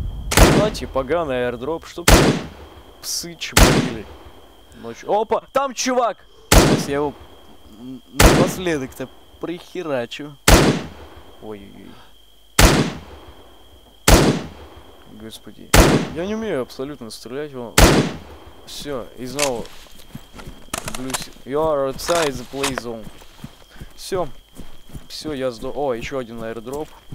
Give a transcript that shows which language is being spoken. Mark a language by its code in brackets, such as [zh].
[ru] Кстати, поганый аирдроп, чтоб псы чмырили. Ночью. Опа! Там чувак! Сейчас я его напоследок-то прихерачу. Ой-ой-ой. Господи. Я не умею абсолютно стрелять. Все, и снова. [en] You are outside the play zone. [ru] Все. Все, я сдох. О, еще один аирдроп.